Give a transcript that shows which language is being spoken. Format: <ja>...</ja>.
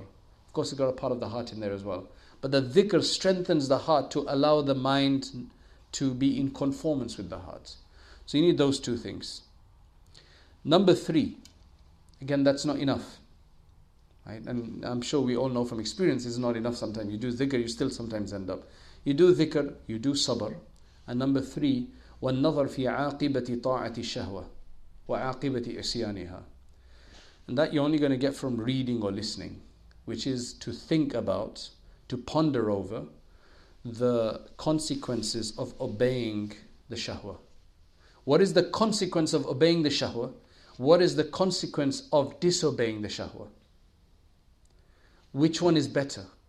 <en>Of course, it's got a part of the heart in there as well. But the dhikr strengthens the heart to allow the mind to be in conformance with the heart. So you need those two things. Number three. Again, that's not enough. Right? And I'm sure we all know from experience, it's not enough sometimes. You do dhikr, you still sometimes end up. You do dhikr, you do sabr. And number three,</en> <ar>وَالنَّظَرْ فِي عَاقِبَةِ طَاعَةِ الشَّهْوَةِ وَعَاقِبَةِ إِسْيَانِهَا.</ar> <en>And that you're only going to get from reading or listening, which is to think about, to ponder over the consequences of obeying the shahwa. What is the consequence of obeying the shahwa? What is the consequence of disobeying the shahwa? Which one is better?</en>